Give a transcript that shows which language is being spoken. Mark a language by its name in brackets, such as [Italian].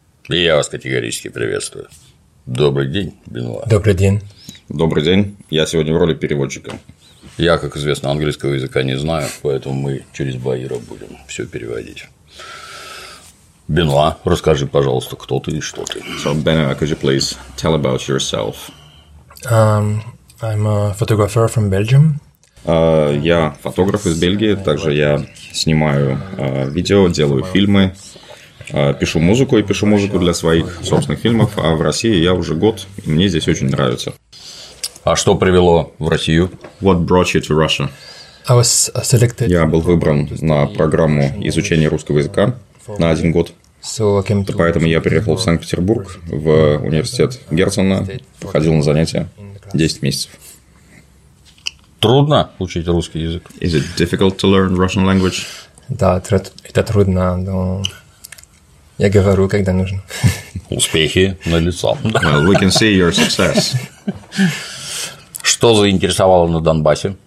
[Russian] И я вас категорически приветствую. Добрый день, Бенуа. Добрый день. Добрый день. Я сегодня в роли переводчика. Я, как известно, английского языка не знаю, поэтому мы через Баира будем все переводить. Бенуа, расскажи, пожалуйста, кто ты и что ты. [English] So, Benoit, could you please tell about yourself? I'm a photographer from Belgium. [Russian] Я фотограф из Бельгии, также я снимаю видео, делаю фильмы. Пишу музыку и пишу музыку для своих собственных фильмов, а в России я уже год, и мне здесь очень нравится. А что привело в Россию? [English] What brought you to Russia? I was selected. [Russian] Я был выбран на программу изучения русского языка на один год. Поэтому я переехал в Санкт-Петербург, в университет Герцена, походил на занятия 10 месяцев. Трудно учить русский язык? [English] Is it difficult to learn Russian language? [Russian] Да, это трудно, но... Я говорю, когда нужно. Успехи налицо. [English] Well, we can see your success. [Russian] Что заинтересовало на Донбассе?